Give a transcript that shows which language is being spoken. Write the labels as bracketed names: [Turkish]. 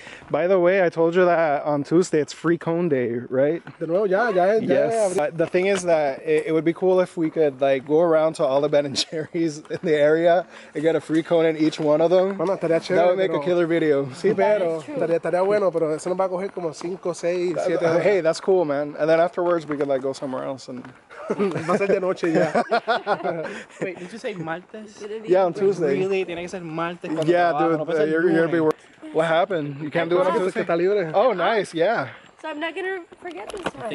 [English] By the way, I told you that on Tuesday it's free cone day, right? Yes. The thing is that it would be cool if we could like go around to all the Ben and Jerry's in the area and get a free cone in each one of them. That would make a killer video. [Spanish] Sí, pero estaría bueno, pero eso nos va a coger como 5, 6, 7. [English] Hey, that's cool, man. And then afterwards we could like go somewhere else and. [Spanish] Va a ser de noche ya. [English] Wait, did you say martes? Yeah, on Tuesday. Really? [Spanish] Tiene que ser martes. [English] Yeah, dude. You're gonna be working. What happened? You can't do it on Tuesday? Oh, nice, yeah. So I'm not gonna forget this one.